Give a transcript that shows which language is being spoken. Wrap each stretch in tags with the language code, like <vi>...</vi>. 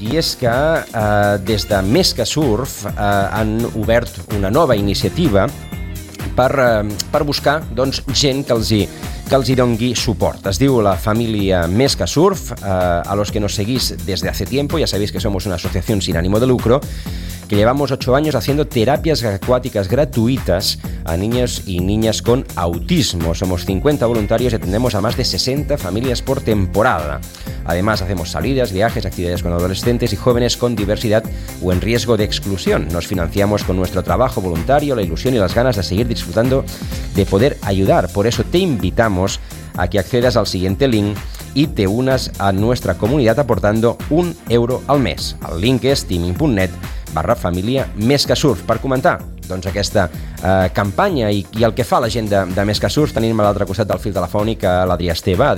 <ca>I és que des de Més que Surf han obert una nova iniciativa per buscar doncs, gent que els hi dongui suport. Es diu la família</ca> <es>Més que Surf, a los que nos seguís desde hace tiempo, ya sabéis que somos una asociación sin ánimo de lucro, que llevamos 8 años haciendo terapias acuáticas gratuitas a niños y niñas con autismo. Somos 50 voluntarios y atendemos a más de 60 familias por temporada. Además, hacemos salidas, viajes, actividades con adolescentes y jóvenes con diversidad o en riesgo de exclusión. Nos financiamos con nuestro trabajo voluntario, la ilusión y las ganas de seguir disfrutando de poder ayudar. Por eso te invitamos a que accedas al siguiente link y te unas a nuestra comunidad aportando 1 euro al mes. El link es teaming.net/familia-mescasurf.</es> <ca>Per comentar doncs, aquesta campanya i el que fa la gent de Més que Surf, tenim a l'altre costat del fil telefònic l'Adrià Esteve.</ca>